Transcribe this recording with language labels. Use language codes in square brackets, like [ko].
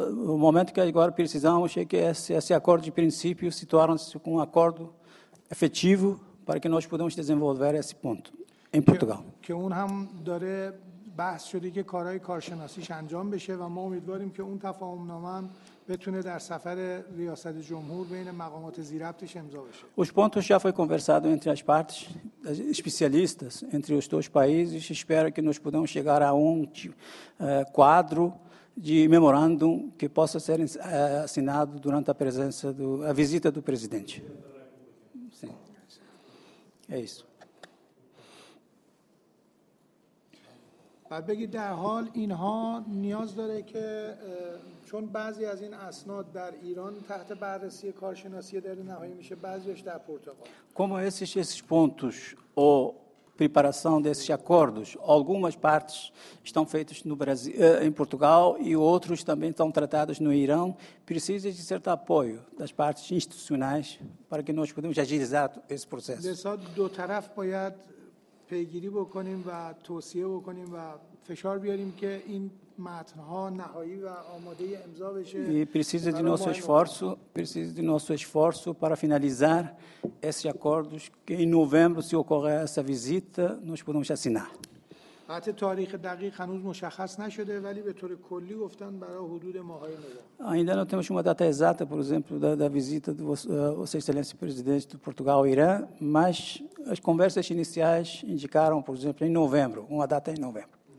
[pt] O momento que agora precisamos é que esse acordo de princípio se torne um acordo efetivo para que nós podemos desenvolver esse ponto em Portugal. [fa] Que اون هم داره بحث شده که کارهای کارشناسیش انجام بشه و ما امیدواریم که اون تفاهم نامه هم بتونه در سفر ریاست جمهور بین مقامات زیربطش امضا بشه. [pt] Os pontos já foi conversado entre as partes, as especialistas entre os dois países. Espero que nós podamos chegar a um quadro de memorandum que possa ser assinado durante a presença a visita do presidente. Sim. É isso. [fa] بعد بگید در حال اینها نیاز داره که چون بعضی از این اسناد در ایران تحت بررسی کارشناسی در نهایی میشه بعضیش در پرتغال. [pt] Como esses pontos ou preparação desses acordos, algumas partes estão feitas no Brasil, em Portugal e outros também estão tratados no Irã, precisa de certo apoio das partes institucionais para que nós podemos agilizar esse processo. [fa] De só do taraf باید پیگیری بکنیم و توصیه بکنیم و فشار بیاریم که این متن‌ها نهایی و آماده امضا بشه. [pt] Precisa de nosso esforço para finalizar esses acordos que em novembro, se ocorrer essa visita, nós podemos assinar. [fa] حتی تاریخ دقیق هنوز مشخص نشده ولی به طور کلی گفتن برای حدود ماهای نوامبر. [pt] Ainda não temos uma data exata, por exemplo, da visita de Vossa Excelência Presidente de Portugal ao Irã, mas as conversas iniciais indicaram, por exemplo, em novembro, uma data em novembro.